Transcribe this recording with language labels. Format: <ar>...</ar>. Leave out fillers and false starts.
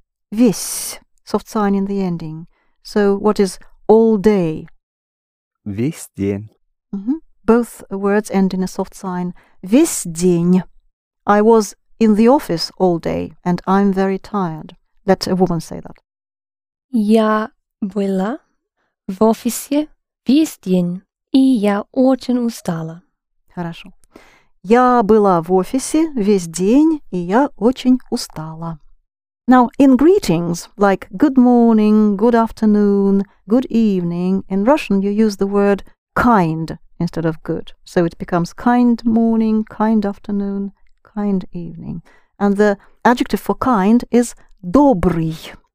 <en>Весь. Soft sign in the ending. So what is all day?</en> <ru>Весь день.</ru> <en>Mm-hmm. Both words end in a soft sign.</en> <ru>Весь день.</ru> <en>I was in the office all day, and I'm very tired. Let a woman say that.</en> <ru>Я была в офисе весь день, и я очень устала. Хорошо. Я была в офисе весь день, и я очень устала.</ru> <en>Now, in greetings, like good morning, good afternoon, good evening, in Russian you use the word kind instead of good. So it becomes kind morning, kind afternoon, kind evening. And the adjective for kind is добрый.</en>